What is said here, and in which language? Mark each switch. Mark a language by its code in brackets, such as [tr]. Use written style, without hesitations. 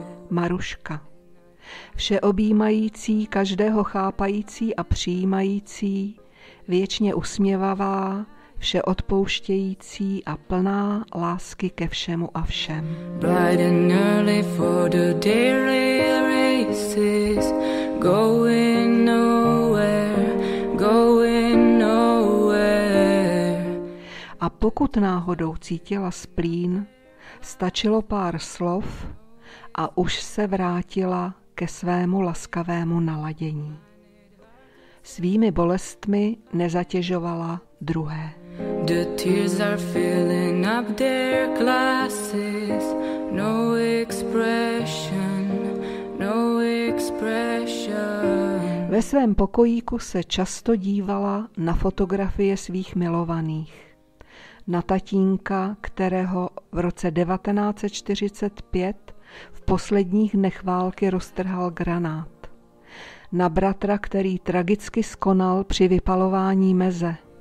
[cs] Maruška. Všeobjímající, každého chápající a přijímající, věčně usměvavá, všeodpouštějící a plná lásky ke všemu a všem. [en] Bright and early for the daily races, going nowhere, going nowhere. [cs] A pokud náhodou cítila splín, stačilo pár slov a už se vrátila ke svému laskavému naladění. Svými bolestmi nezatěžovala druhé. [en] The tears are filling up their glasses, no expression, no expression. [cs] Ve svém pokojíku se často dívala na fotografie svých milovaných. Na tatínka, kterého v roce 1945 v posledních dnech války roztrhal granát. Na bratra, který tragicky skonal při vypalování meze.